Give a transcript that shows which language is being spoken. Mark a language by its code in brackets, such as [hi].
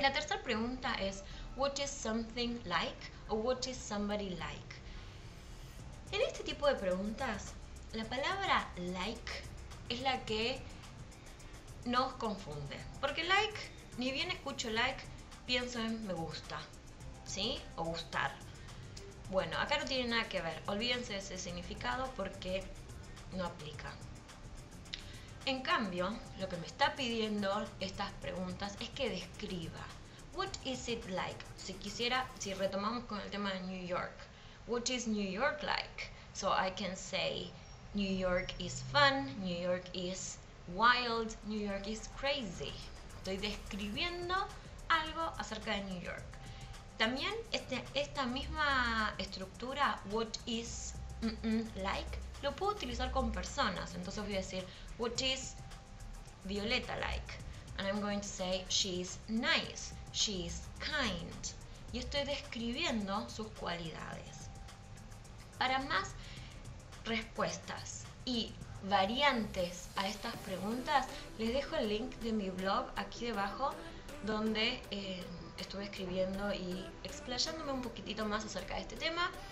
[es] La tercera pregunta es, [en] what is something like, or what is somebody like? [es] En este tipo de preguntas, la palabra like es la que nos confunde. Porque like, ni bien escucho like, pienso en me gusta, ¿sí? O gustar. Bueno, acá no tiene nada que ver. Olvídense de ese significado porque no aplica. En cambio, lo que me está pidiendo estas preguntas es que describa. [en] What is it like? [es] Si retomamos con el tema de New York. [en] What is New York like? So I can say, New York is fun, New York is wild, New York is crazy. [es] Estoy describiendo algo acerca de New York. También esta misma estructura, [en] what is like, [es] lo puedo utilizar con personas. Entonces voy a decir, [en] what is Violeta like? And I'm going to say, she's nice, she's kind. [es] Y estoy describiendo sus cualidades. Para más respuestas y variantes a estas preguntas, les dejo el link de mi blog aquí debajo, donde estuve escribiendo y explayándome un poquitito más acerca de este tema.